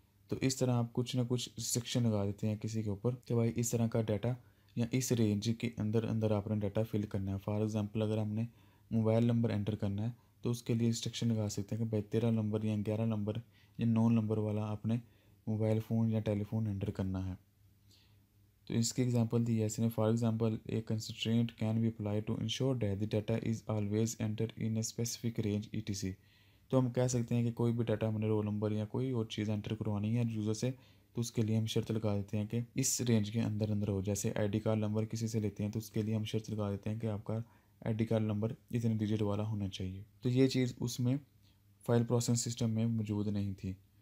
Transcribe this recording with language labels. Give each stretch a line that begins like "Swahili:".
Urdu: تو اس طرح آپ کچھ نہ کچھ ریسٹرکشن لگا دیتے ہیں کسی کے اوپر کہ بھائی اس طرح کا ڈیٹا یا اس رینج کے اندر اندر آپ نے ڈیٹا فل کرنا ہے. فار ایگزامپل اگر ہم نے موبائل نمبر انٹر کرنا ہے تو اس کے لیے ریسٹرکشن لگا سکتے ہیں کہ بھائی 13 نمبر یا 11 نمبر یا 9 نمبر والا آپ نے موبائل فون یا ٹیلی فون انٹر کرنا ہے. تو اس کی ایگزامپل دی ایسے نے,
English: For example a constraint can be apply to ensure that the data is always enter in a specific range E T C.
Urdu: تو ہم کہہ سکتے ہیں کہ کوئی بھی ڈیٹا ہم نے رول نمبر یا کوئی اور چیز انٹر کروانی ہے یوزر سے تو اس کے لیے ہم شرط لگا دیتے ہیں کہ اس رینج کے اندر اندر ہو. جیسے آئی ڈی کارڈ نمبر کسی سے لیتے ہیں تو اس کے لیے ہم شرط لگا دیتے ہیں کہ آپ کا آئی ڈی کارڈ نمبر اتنے ڈیجٹ والا ہونا چاہیے. تو یہ چیز اس میں فائل پروسیسنگ سسٹم میں موجود نہیں تھی.